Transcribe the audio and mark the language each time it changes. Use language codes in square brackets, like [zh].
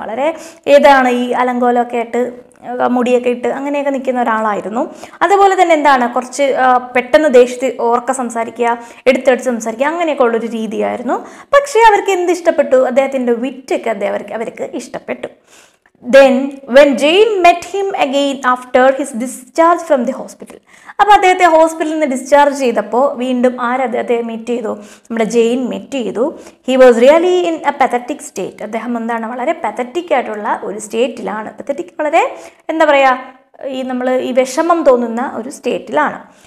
[ml] വളരെ ഏതാണ് ഈ അലങ്കോലമൊക്കെ ആയിട്ട് മുടിയൊക്കെ ഇട്ട് അങ്ങനെയൊക്കെ നിൽക്കുന്ന ഒരാളായിരുന്നു. അതുപോലെ തന്നെ എന്താണ് കുറച്ച് പെട്ടെന്ന് ദേഷ്യത്തിൽ ഓർക്ക സംസാരിക്കുക, എടുത്തെടുത്ത് സംസാരിക്കുക, അങ്ങനെയൊക്കെ ഉള്ളൊരു രീതിയായിരുന്നു. പക്ഷേ അവർക്ക് എന്ത് ഇഷ്ടപ്പെട്ടു? അദ്ദേഹത്തിൻ്റെ വിറ്റൊക്കെ അവർക്ക് ഇഷ്ടപ്പെട്ടു. [en] Then, when Jane met him again after his discharge from the hospital. [ml] അപ്പോൾ അദ്ദേഹത്തെ ഹോസ്പിറ്റലിൽ നിന്ന് ഡിസ്ചാർജ് ചെയ്തപ്പോൾ വീണ്ടും ആര് അദ്ദേഹത്തെ മീറ്റ് ചെയ്തു? നമ്മുടെ ജെയിൻ മീറ്റ് ചെയ്തു. [en] He was really in a pathetic state. [ml] അദ്ദേഹം എന്താണ് വളരെ പെത്തറ്റിക് ആയിട്ടുള്ള ഒരു സ്റ്റേറ്റിലാണ്. പെത്തറ്റിക് വളരെ എന്താ പറയുക, ഈ നമ്മൾ ഈ വിഷമം തോന്നുന്ന ഒരു സ്റ്റേറ്റിലാണ്.